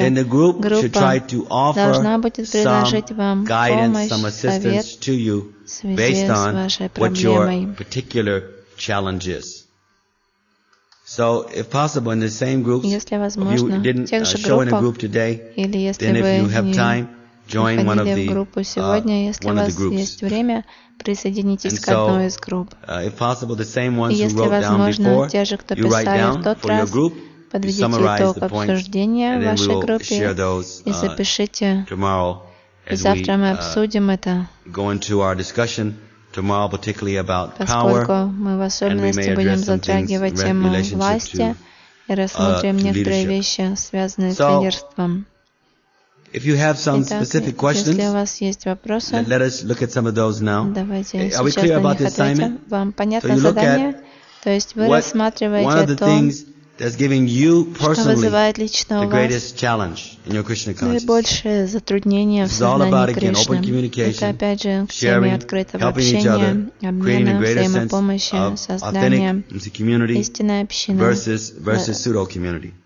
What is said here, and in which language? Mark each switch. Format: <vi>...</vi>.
<en>then the group should try to offer some guidance, some assistance to you based on what your particular challenge is. So, if possible, in the same groups, if you didn't show in a group today, then if you have time, join one of the groups.</en> <ru>Присоединитесь к одной из групп.</ru> <en>If possible, the same ones you wrote down before, you write down for your group.</en> <ru>Подведите итог обсуждения в вашей группе и запишите. И завтра мы обсудим это, поскольку мы в особенности будем затрагивать тему власти и рассмотрим некоторые вещи, связанные с лидерством.</ru> <en>If you have some specific questions, let us look at some of those now. Are we clear about the assignment?</en> <ru>Вам понятно задание? То есть вы рассматриваете то,</ru> <en>that's giving you personally the greatest challenge in your Krishna consciousness. It's all about, again, open communication, sharing, helping each other, creating a greater sense of authentic community versus pseudo community.</en>